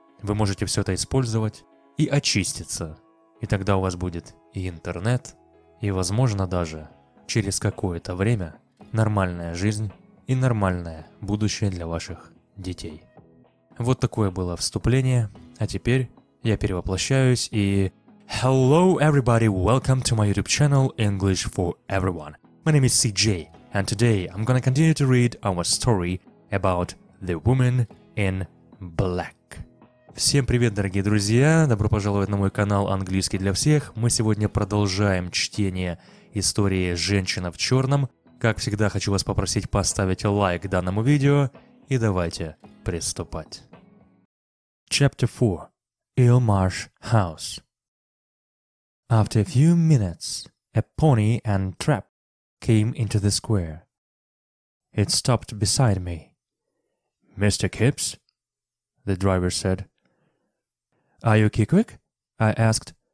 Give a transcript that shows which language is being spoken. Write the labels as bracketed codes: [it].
[ru] Вы можете все это использовать и очиститься. И тогда у вас будет и интернет, и, возможно, даже через какое-то время нормальная жизнь и нормальное будущее для ваших детей. Вот такое было вступление. А теперь я перевоплощаюсь и... [en] Hello everybody, welcome to my YouTube channel, English for Everyone. My name is CJ, and today I'm gonna continue to read our story about the woman in black. [ru] Всем привет, дорогие друзья! Добро пожаловать на мой канал «Английский для всех». Мы сегодня продолжаем чтение истории «Женщина в черном». Как всегда, хочу вас попросить поставить лайк данному видео, и давайте приступать. [en] Chapter 4. Ilmarsh House. After a few minutes, a pony and trap came into the square. It stopped beside me. Mr. Kipps, the driver said. Are you Kickwick? I asked.